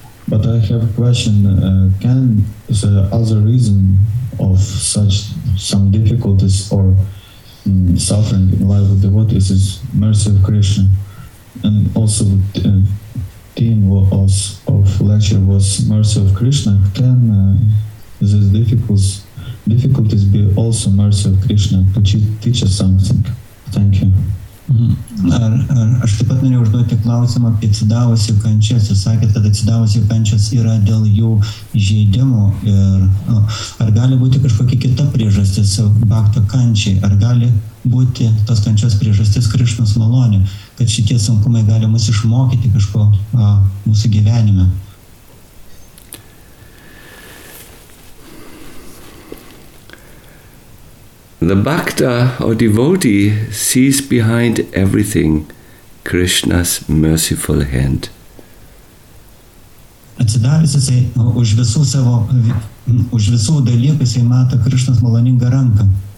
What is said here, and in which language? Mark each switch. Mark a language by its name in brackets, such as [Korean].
[English] Can the other reason of such some difficulties or suffering in life of devotees is mercy of Krishna, and also the theme of lecture was mercy of Krishna. Can these difficulties be also mercy of Krishna? Could you teach us something? Thank you. [Lithuanian] Ar aš taip pat norėjau užduoti klausimą apie atsidavusių kančias. Jūs sakėt, kad atsidavusių kančias yra dėl jų žaidimų. Ar gali būti kažkokia kita priežastis bakto kančiai? Ar gali būti tos kančios priežastis Krišnos malonė, kad šitie sunkumai gali mus išmokyti kažko mūsų gyvenime? [English] The bhakta or devotee sees behind everything Krishna's merciful hand. [Lithuanian] Atsidavęs jisai už visų dalykų jisai mato Krishnas maloningą ranką.